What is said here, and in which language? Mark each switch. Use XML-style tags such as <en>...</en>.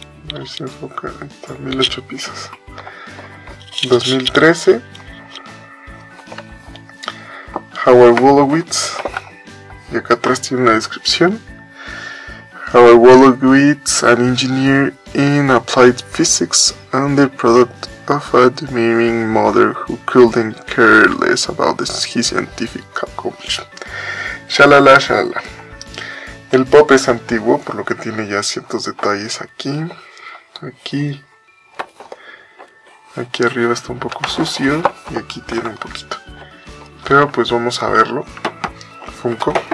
<es>A ver si enfoca, ahí está, 1008 piezas. 2013, Howard Wolowitz. Y acá atrás tiene una descripción.</es> <en>Howard Wolowitz, an engineer in applied physics and the product of a demeaning mother who couldn't care less about this, his scientific accomplishment. Shalala, shalala.</en> <es>El pop es antiguo, por lo que tiene ya ciertos detalles aquí. Aquí. Aquí arriba está un poco sucio y aquí tiene un poquito. Pero pues vamos a verlo. Funko.</es>